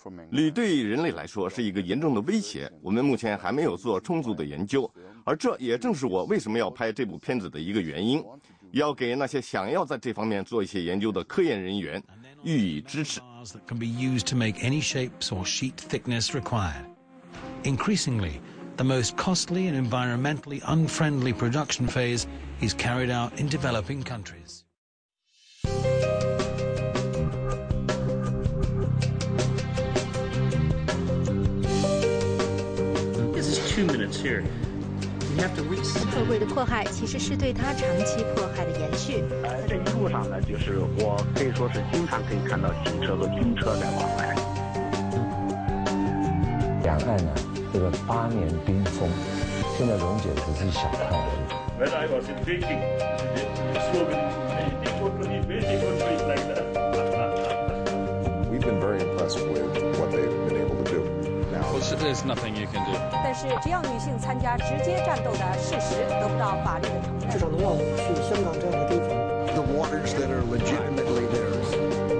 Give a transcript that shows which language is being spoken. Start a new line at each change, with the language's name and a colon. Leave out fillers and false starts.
Chinese: 铝对人类来说是一个严重的威胁，我们目前还没有做充足的研究，而这也正是我为什么要拍这部片子的一个原因，要给那些想要在这方面做一些研究的科研人员予以支持。
English: That can be used to make any shapes or sheet thickness required. Increasingly, the most costly and environmentally unfriendly production phase is carried out in developing countries.
Chinese: 社会的迫害其实是对他长期迫害的延续。这一路上呢，就是我可以说是经常可以看到警车和军车在往来。两岸呢，这个8年冰封，现在溶解只是小块而已。
English: When I was in Beijing, we've been very impressed with what they've been able to do. There's nothing you can do.
Chinese: 但是，只要女性参加直接战斗的事实得不到法律的承认，至少能让我们去香港这样的地方。
English: The waters that are legitimately theirs.